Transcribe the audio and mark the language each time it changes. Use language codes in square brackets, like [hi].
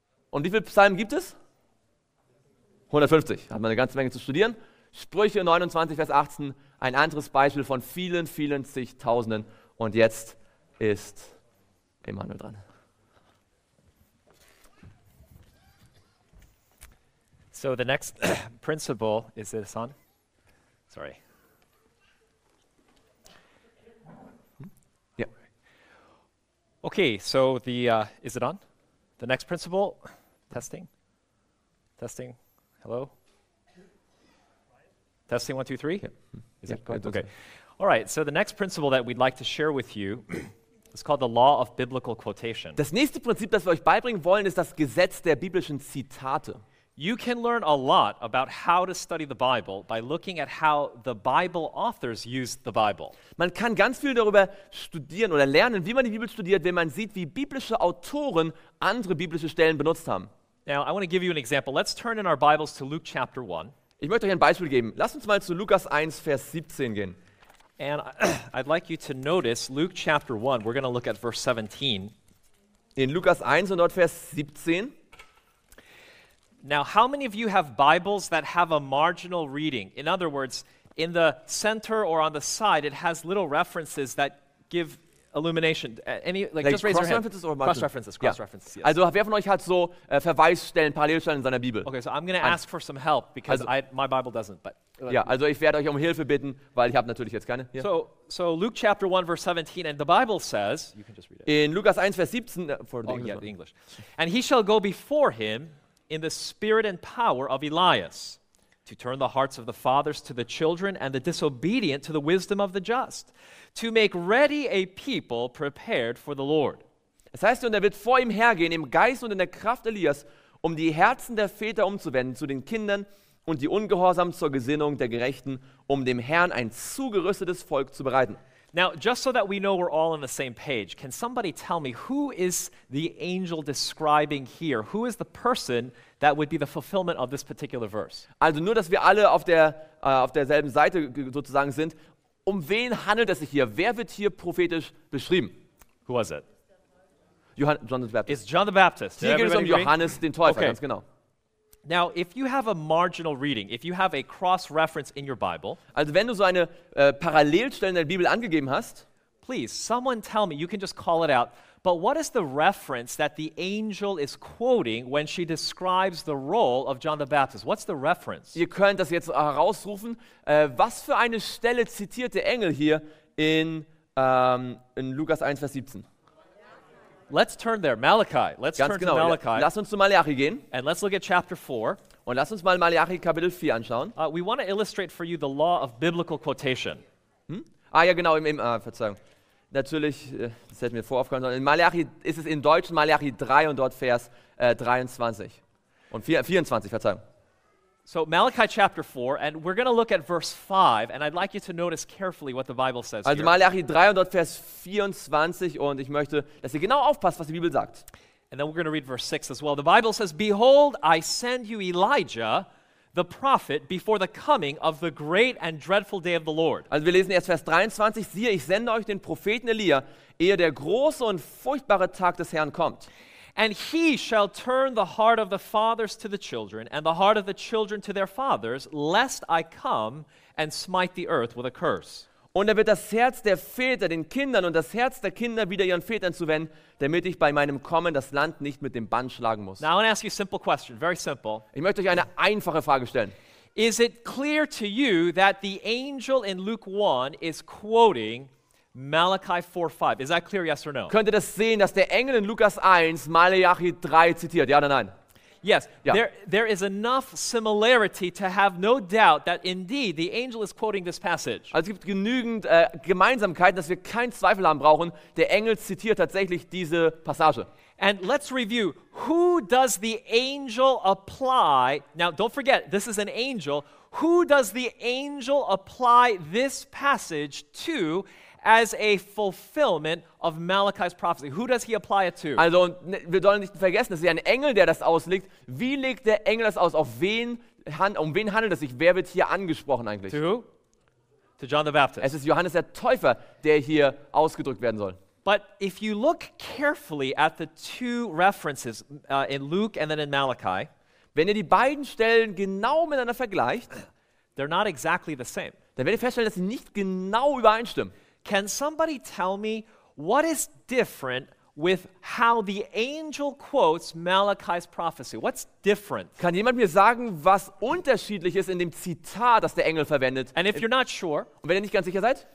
[de] Und wie viele Psalmen gibt es? 150. Hat man eine ganze Menge zu studieren. Sprüche 29, Vers 18, ein anderes Beispiel von vielen, vielen zigtausenden. Und jetzt ist Emmanuel dran. [en] So the next principle, is this on? Sorry. Yeah. Okay, so the, is it on? The next principle, testing, hello? Testing, 1, 2, 3? Yeah. Is it good? Okay. All right, so the next principle that we'd like to share with you It's called the law of biblical quotation. [de] Das nächste Prinzip, das wir euch beibringen wollen, ist das Gesetz der biblischen Zitate. [en] You can learn a lot about how to study the Bible by looking at how the Bible authors used the Bible. [de] Man kann ganz viel darüber studieren oder lernen, wie man die Bibel studiert, wenn man sieht, wie biblische Autoren andere biblische Stellen benutzt haben. [en] Now, I want to give you an example. Let's turn in our Bibles to Luke chapter 1. [de] Ich möchte euch ein Beispiel geben. Lasst uns mal zu Lukas 1, Vers 17 gehen. [en] And I'd like you to notice Luke chapter 1. We're going to look at verse 17. [de] In Lukas 1 und dort Vers 17. [en] Now, how many of you have Bibles that have a marginal reading? In other words, in the center or on the side, it has little references that give illumination. Any, like just raise your hand. Cross references. Yes. [de] Also, wer von euch hat so Verweisstellen, Parallelstellen in seiner Bibel? [en] Okay, so I'm going to ask for some help because my Bible doesn't. But [de] ja, also ich werde euch um Hilfe bitten, weil ich habe natürlich jetzt keine. [en] Yeah. So Luke chapter 1 verse 17, and the Bible says. You can just read it. [de] In Lukas 1 Vers 17 [en] for the English. The English. And he shall go before him in the spirit and power of Elias, to turn the hearts of the fathers to the children and the disobedient to the wisdom of the just, to make ready a people prepared for the Lord. [de] Es heißt, und er wird vor ihm hergehen im Geist und in der Kraft Elias, um die Herzen der Väter umzuwenden zu den Kindern und die Ungehorsamen zur Gesinnung der Gerechten, um dem Herrn ein zugerüstetes Volk zu bereiten. [en] Now, just so that we know we're all on the same page, can somebody tell me who is the angel describing here? Who is the person that would be the fulfillment of this particular verse? [de] Also nur, dass wir alle auf derselben Seite sozusagen sind. Um wen handelt es sich hier? Wer wird hier prophetisch beschrieben? [en] Who was it? John the Baptist. It's John the Baptist. [de] Hier geht es um Johannes den Täufer, okay. Ganz genau. [en] Now, if you have a marginal reading, if you have a cross-reference in your Bible, [de] also wenn du so eine Parallelstelle in der Bibel angegeben hast, [en] please, someone tell me, you can just call it out, but what is the reference that the angel is quoting when she describes the role of John the Baptist? What's the reference? [de] Ihr könnt das jetzt herausrufen. Was für eine Stelle zitiert der Engel hier in Lukas 1, Vers 17? [en] Let's turn there, Malachi. Let's [de] Ganz [en] turn [de] genau. [en] to Malachi. [de] Lass uns zu Malachi gehen. [en] And let's look at chapter 4. [de] Und lass uns mal Malachi Kapitel 4 anschauen. [en] We want to illustrate for you the law of biblical quotation. [de] Verzeihung. Natürlich, das hätten wir voraufgehört. In Malachi ist es in Deutsch Malachi 3 und dort Vers 23. Und 24, Verzeihung. [en] So Malachi chapter 4, and we're going to look at verse 5, and I'd like you to notice carefully what the Bible says [de] also [en] here. [de] Also Malachi 3 und dort Vers 24, und ich möchte, dass ihr genau aufpasst, was die Bibel sagt. [en] And then we're going to read verse 6 as well. The Bible says, "Behold, I send you Elijah, the prophet, before the coming of the great and dreadful day of the Lord." [de] Also wir lesen erst Vers 23, siehe, ich sende euch den Propheten Elia, ehe der große und furchtbare Tag des Herrn kommt. [en] And he shall turn the heart of the fathers to the children and the heart of the children to their fathers, lest I come and smite the earth with a curse. [de] Und er wird das Herz der Väter den Kindern und das Herz der Kinder wieder ihren Vätern zuwenden, damit ich bei meinem Kommen das Land nicht mit dem Bann schlagen muss. [en] Now I want to ask you a simple question, very simple. [de] Ich möchte euch eine einfache Frage stellen. [en] Is it clear to you that the angel in Luke 1 is quoting Malachi 4:5. Is that clear, yes or no? [de] Könnt ihr das sehen, dass der Engel in Lukas 1 Malachi 3 zitiert? Ja oder nein? [en] Yes. [de] Ja. [en] There is enough similarity to have no doubt that indeed the angel is quoting this passage. [de] Also es gibt genügend Gemeinsamkeiten, dass wir keinen Zweifel haben brauchen. Der Engel zitiert tatsächlich diese Passage. [en] And let's review. Who does the angel apply? Now, don't forget, this is an angel. Who does the angel apply this passage to? As a fulfillment of Malachi's prophecy. Who does he apply it to? [de] Also, wir sollen nicht vergessen, es ist ja ein Engel, der das auslegt. Wie legt der Engel das aus? Um wen handelt es sich? Wer wird hier angesprochen eigentlich? [en] To who? To John the Baptist. [de] Es ist Johannes der Täufer, der hier ausgedrückt werden soll. [en] But if you look carefully at the two references in Luke and then in Malachi, [de] wenn ihr die beiden Stellen genau miteinander vergleicht, [en] they're not exactly the same. [de] Dann werdet ihr feststellen, dass sie nicht genau übereinstimmen. [en] Can somebody tell me what is different with how the angel quotes Malachi's prophecy? What's different? [de] Kann jemand mir sagen, was unterschiedlich ist in dem Zitat, das der Engel verwendet? [en] And if you're not sure, [de] und wenn ihr nicht ganz sicher seid,